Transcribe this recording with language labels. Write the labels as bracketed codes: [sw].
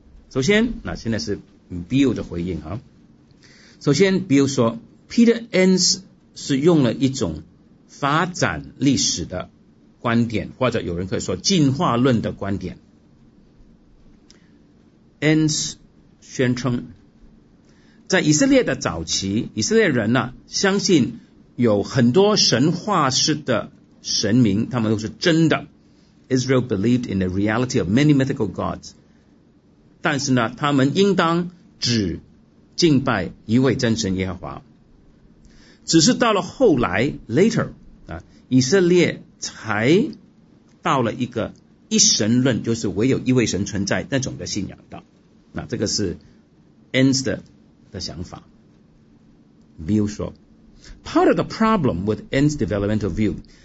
[zh] 首先那现在是 Bill 的回应啊。首先 Bill 说 Peter Enns 是用了一种发展历史的观点，或者有人可以说进化论的观点。 Enns 宣称在以色列的早期，以色列人呢，相信有很多神话式的神明，他们都是真的。 [en] Israel believed in the reality of many mythical gods. [zh] 但是呢，他们应当只敬拜一位真神耶和华。只是到了后来 ,later, 啊，以色列才到了一个一神论，就是唯有一位神存在那种的信仰的。那这个是 Enns 的想法。比如说 [en] Part of the problem with Enns developmental view